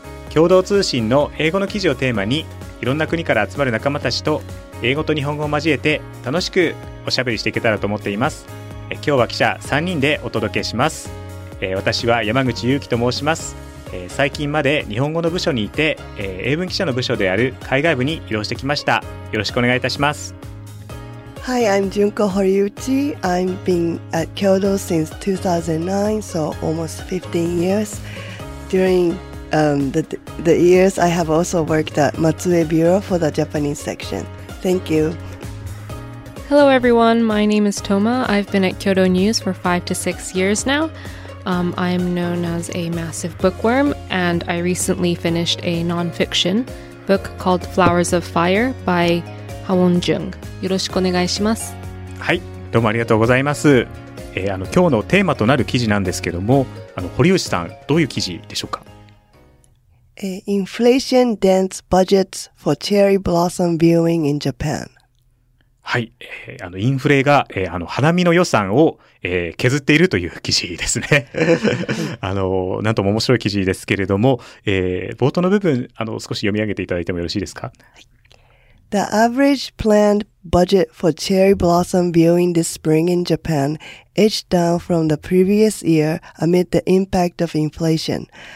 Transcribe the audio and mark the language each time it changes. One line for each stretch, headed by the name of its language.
Japanese: 共同通信の英語の記事をテーマに、いろんな国から集まる仲間たちと英語と日本語を交えて楽しくおしゃべりしていけたらと思っています。今日は記者3人でお届けします。私は山口祐樹と申します。最近まで日本語の部署にいて、英文記者の部署である海外部に移動してきました。よろしくお願いいたします。
English: Hi, I'm Junko Horiuchi. I've been at Kyoto since 2009, so almost 15 years. During the years, I have also worked at Matsue Bureau for the Japanese section. Thank you. Hello everyone, my name is Toma. I've been at Kyoto News for 5 to 6 years now. I am known as a massive bookworm, and I recently finished a non-fiction book called Flowers of Fire by ハウォンジュン。
Japanese: よろしくお願いします。はい、どうもありがとうございます。今日のテーマとなる記事なんですけども、堀内さん、どういう記事でしょうか？
English: Inflation dents budgets for cherry blossom viewing in Japan.
Japanese: はい、インフレが、花見の予算を削っているという記事ですね。なんとも面白い記事ですけれども、冒頭の部分、少し読み上げていただいてもよろしいですか？
English: The average planned budget for cherry blossom viewing this spring in Japan edged down from the previous year amid the impact of inflation.